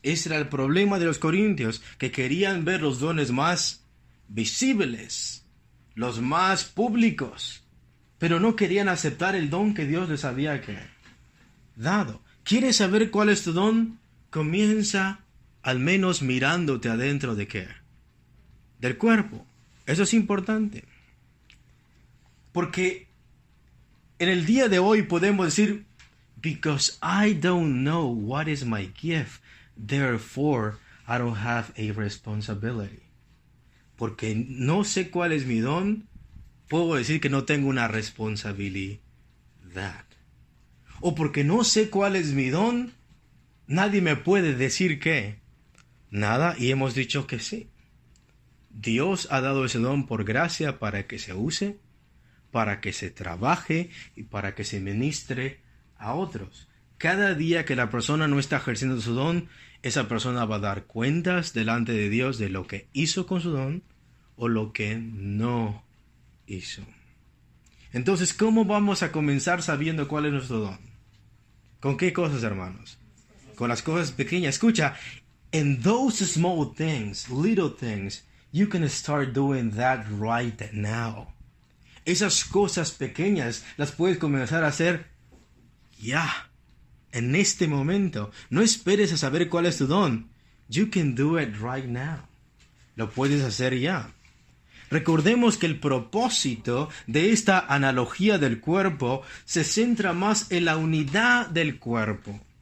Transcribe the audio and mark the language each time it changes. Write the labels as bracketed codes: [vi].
[es] Ese era el problema de los corintios, que querían ver los dones más visibles, los más públicos. pero no querían aceptar el don que Dios les había dado. ¿Quieres saber cuál es tu don? Comienza al menos mirándote adentro de qué. Del cuerpo. Eso es importante. Porque en el día de hoy podemos decir, [en] because I don't know what is my gift, therefore I don't have a responsibility. [es] Porque no sé cuál es mi don, puedo decir que no tengo una responsabilidad. O porque no sé cuál es mi don, nadie me puede decir qué. Nada, y hemos dicho que sí. Dios ha dado ese don por gracia para que se use, para que se trabaje y para que se ministre a otros. Cada día que la persona no está ejerciendo su don, esa persona va a dar cuentas delante de Dios de lo que hizo con su don o lo que no hizo. Entonces, ¿cómo vamos a comenzar sabiendo cuál es nuestro don? ¿Con qué cosas, hermanos? Con las cosas pequeñas. Escucha, [en] in those small things, little things, you can start doing that right now. [es] Esas cosas pequeñas las puedes comenzar a hacer ya, en este momento. No esperes a saber cuál es tu don. [en] You can do it right now. [es] Lo puedes hacer ya. Recordemos que el propósito de esta analogía del cuerpo se centra más en la unidad del cuerpo.